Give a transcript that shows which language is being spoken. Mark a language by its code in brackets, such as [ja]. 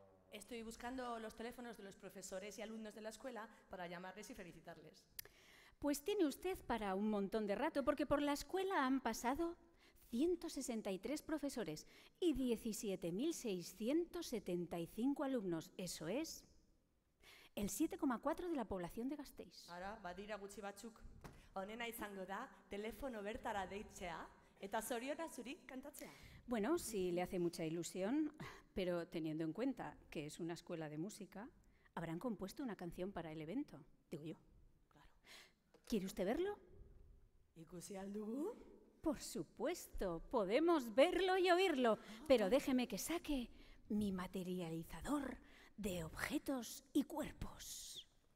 [es] Estoy buscando los teléfonos de los profesores y alumnos de la escuela para llamarles y felicitarles. Pues tiene usted para un montón de rato, porque por la escuela han pasado 163 profesores y 17.675 alumnos. Eso es el 7,4 de la población de Gasteiz. Ahora, [eu] badira gutxi batzuk. Onena izango da, teléfono bertara deitzea, eta zoriona zuri kantatzea. [es] Bueno, sí, le hace mucha ilusión, pero teniendo en cuenta que es una escuela de música, habrán compuesto una canción para el evento, digo yo. ¿Quiere usted verlo? [eu] ¿Ikusi al dugu? [es] Por supuesto, podemos verlo y oírlo, pero déjeme que saque mi materializador de objetos y cuerpos.